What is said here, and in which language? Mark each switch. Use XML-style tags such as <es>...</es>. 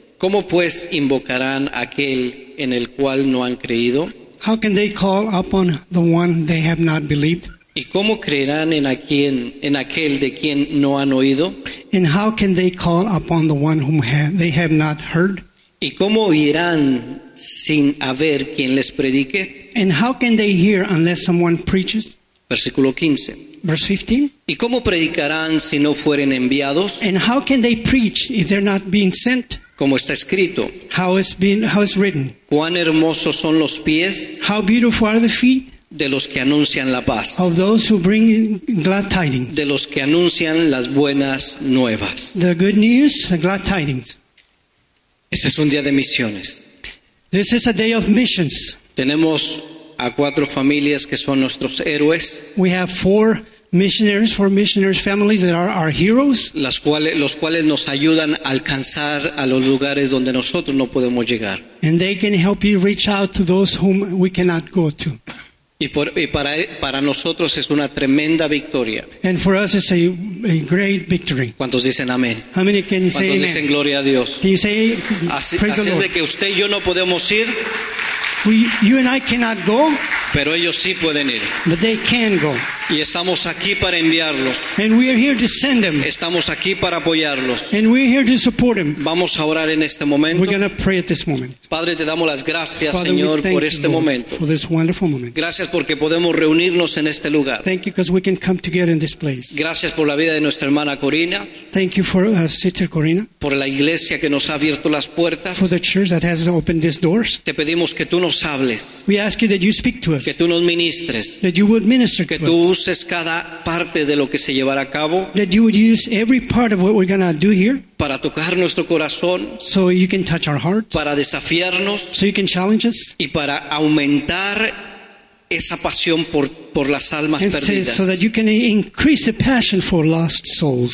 <es>¿Cómo pues invocarán aquel en el cual no han creído?</es> <en>How can they call upon the one they have not believed?</en> <es>¿Y cómo creerán en aquel de quien no han oído?</es> <en>And how can they call upon the one whom they have not heard?</en> <es>¿Y cómo oirán sin haber quien les predique?</es> <en>And how can they hear unless someone preaches?</en> <es>Versículo 15.</es> <en>Verse 15.</en> <es>¿Y cómo predicarán si no fueren enviados?</es> <en>And how can they preach if they're not being sent?</en> <es>Como está escrito.</es> <en>How it's written.</en> <es>¿Cuán hermosos son los pies?</es> <en>How beautiful are the feet?</en> <es>De los que anuncian la paz.</es> <en>Of those who bring glad tidings.</en> <es>De los que anuncian las buenas nuevas.</es> <en>The good news, the glad tidings.</en> <es>Este es un día de misiones.</es> <en>This is a day of missions.</en> <es>Tenemos a cuatro familias que son nuestros héroes.</es> <en>We have four missionaries families that are our heroes.</en> <es>Los cuales nos ayudan a alcanzar a los lugares donde nosotros no podemos llegar.</es> <en>And they can help you reach out to those whom we cannot go to.</en> <es>Y para nosotros es una tremenda victoria.</es> <en>And for us it's a great victory.</en> <es>¿Cuántos dicen amén?</es> <en>How many can say amen?</en> <es>¿Cuántos dicen gloria a Dios?</es> <en>Can you say praise the Lord?</en> <es>Así de que usted y yo no podemos ir.</es> <en>You and I cannot go.</en> <es>Pero ellos sí pueden ir.</es> <en>But they can go.</en> <es>Y estamos aquí para enviarlos.</es> <en>And we are here to send them.</en> <es>Estamos aquí para apoyarlos.</es> <en>And we are here to support them.</en> <es>Vamos a orar en este momento.</es> <en>We're going to pray at this moment.</en> <es>Padre, te damos las gracias,</es> <en>Father,</en> <es>Señor, por este</es> <en>Lord,</en> <es>momento.</es> <en>For this wonderful moment.</en> <es>Gracias porque podemos reunirnos en este lugar.</es> <en>Thank you because we can come together in this place.</en> <es>Gracias por la vida de nuestra hermana Corina.</es> <en>Thank you for sister Corina.</en> <es>Por la iglesia que nos ha abierto las puertas.</es> <en>For the church that has opened these doors.</en> <es>Te pedimos que tú nos hables.</es> <en>We ask you that you speak to us.</en> <es>Que tú nos ministres.</es> <en>That you would minister</en> <es>que</es> <en>to us.</en> <es>Uses cada parte de lo que se llevará a cabo.</es> <en>That you would use every part of what we're going to do here.</en> <es>Para tocar nuestro corazón.</es> <en>So you can touch our hearts.</en> <es>Para desafiarnos.</es> <en>So you can challenge us.</en> <es>Y para aumentar esa pasión por las almas</es> <en>and</en> <es>perdidas.</es> <en>So that you can increase the passion for lost souls.</en>